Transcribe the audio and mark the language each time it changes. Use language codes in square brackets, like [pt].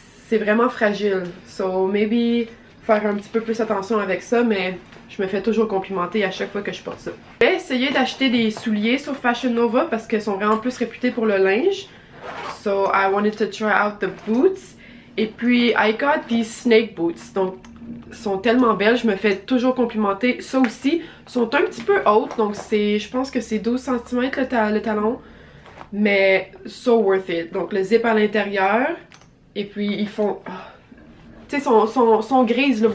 [fr] c'est vraiment fragile. [en] So maybe [fr] faire un petit peu plus attention avec ça, mais je me fais toujours complimenter à chaque fois que je porte ça. Je vais essayer d'acheter des souliers sur Fashion Nova parce qu'ils sont vraiment plus réputés pour le linge. [en] So I wanted to try out the boots. [fr] Et puis [en] I got these snake boots. [fr] Donc sont tellement belles, je me fais toujours complimenter. Ça aussi, sont un petit peu hautes, donc c'est, je pense que c'est 12 cm le talon, mais [en] so worth it. [fr] Donc le zip à l'intérieur, et puis ils font, tu sais, sont grises, là.